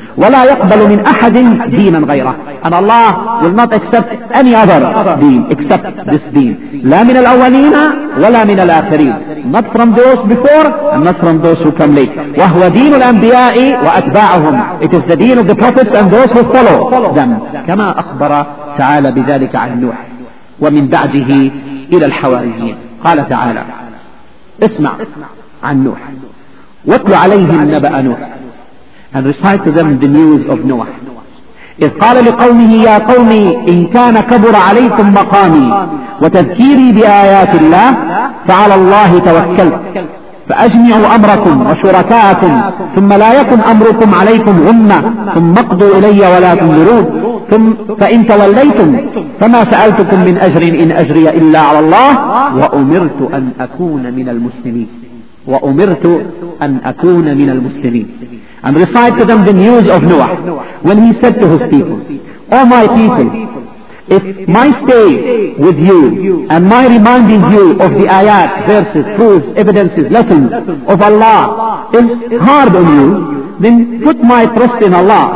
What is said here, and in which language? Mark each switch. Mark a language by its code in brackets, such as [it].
[ar] وَلَا يَقْبَلُ مِنْ أَحَدٍ دِينًا غَيْرَهُ. [en] And Allah will not accept any other deen except this deen. [ar] لَا مِنَ الْأَوَّلِينَ وَلَا مِنَ الْآخِرِينَ. [en] Not from those before and not from those who come later. [ar] وَهُوَ دِينُ الْأَنْبِيَاءِ وَأَتْبَاعُهُمْ. [en] It is the deen of the prophets and those who follow them. [ar] كما أخبر تعالى بذلك عن نوح ومن بعده إلى الحواريين. قال تعالى اسمع عن نوح وَاتْلُ عَلَيْهِمْ نَبَأَ نُوحٍ, [en] and recite to them the news of Noah. [ar] إِذْ قَالَ لِقَوْمِهِ يَا قَوْمِ إِنْ كَانَ كَبُرَ عَلَيْكُمْ مَقَامِي وَتَذْكِيرِي بِآيَاتِ اللَّهِ فَعَلَى اللَّهِ تَوَكَّلْتُ فَأَجْمِعُوا أَمْرَكُمْ وَشُرَكَاءَكُمْ ثُمَّ لَا يَكُنْ أَمْرُكُمْ عَلَيْكُمْ غُمَّةً ثُمَّ اقْضُوا إِلَيَّ وَلَا تُنْظِرُونِ ثم فإن توليتم فما سألتكم من أجر إن أجري إلا على الله وأمرت أن أكون من المسلمين. وأمرت أن أكون من المسلمين. [en] And recite to them the news of Noah when he said to his people, O my people, if my stay with you and my reminding you of the ayat, verses, proofs, evidences, lessons of Allah is hard on you, then put my trust in Allah.